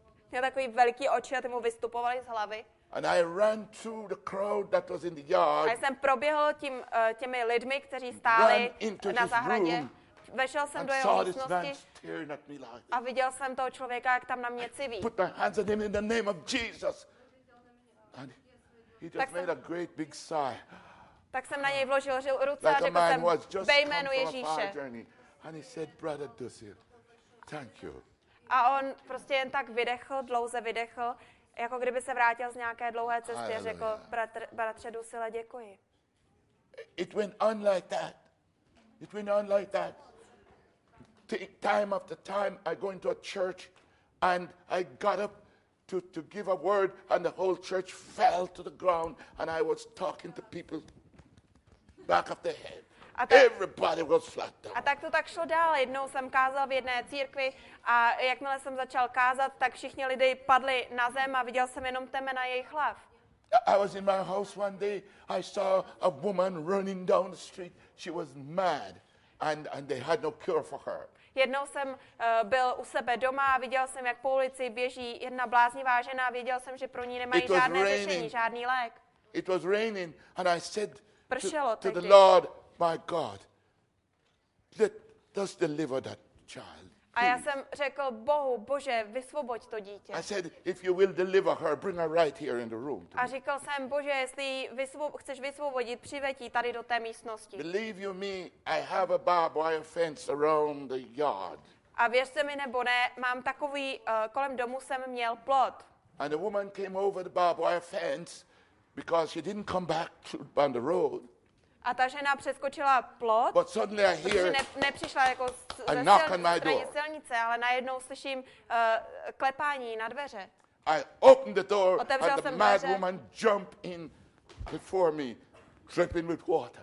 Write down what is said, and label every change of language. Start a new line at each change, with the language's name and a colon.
Czech: Měl takový velký oči a ty mu vystupovaly z hlavy.
English: And I ran through the crowd that was in the yard.
Czech: A jsem proběhl tím těmi lidmi, kteří stáli na zahradě. Vešel jsem do jeho místnosti. A viděl jsem toho člověka, jak tam na mě civí.
English: Put my hands on him in the name of Jesus. And he just made a great big sigh.
Czech: Tak jsem na něj vložil ruce a řekl jsem, ve jménu Ježíše.
English: And he said, Brother Dusil, thank you.
Czech: A on prostě jen tak vydechl, dlouze vydechl, jako kdyby se vrátil z nějaké dlouhé cesty a řekl, bratře Dusile, děkuji.
English: It went on like that. It went on like that. Time after time, I go into a church and I got up to give a word and the whole church fell to the ground and I was talking to people back of the head.
Czech: A tak,
English: everybody was flat down.
Czech: A tak to tak šlo dál. Jednou jsem kázal v jedné církvi a jakmile jsem začal kázat, tak všichni lidé padli na zem a viděl jsem jenom teme na jejich hlav.
English: I was in my house one day. I saw a woman running down the street. She was mad and they had no cure for her.
Czech: Jednou jsem byl u sebe doma a viděl jsem, jak po ulici běží jedna bláznivá žena a viděl jsem, že pro ní nemají žádné řešení, žádný lék.
English: It was raining and I said to the Lord, my God, let deliver that child.
Czech: A já jsem řekl Bohu, Bože, vysvoboď to dítě.
English: I said, if you will deliver her, bring her right here in the room.
Czech: A říkal jsem, Bože, jestli chceš vysvobodit, přiveď ji tady do té místnosti.
English: Believe you me, I have a barbed wire fence around the yard.
Czech: A věřte mi nebo ne, mám takový kolem domu jsem měl plot.
English: And the woman came over the barbed wire fence because she didn't come back on the road.
Czech: A ta žena přeskočila plot, protože nepřišla jako ze silnice, ale najednou slyším klepání na dveře.
English: I opened the door,
Czech: otevřel jsem dveře.
English: Mad woman jumped in before me. dripping with water.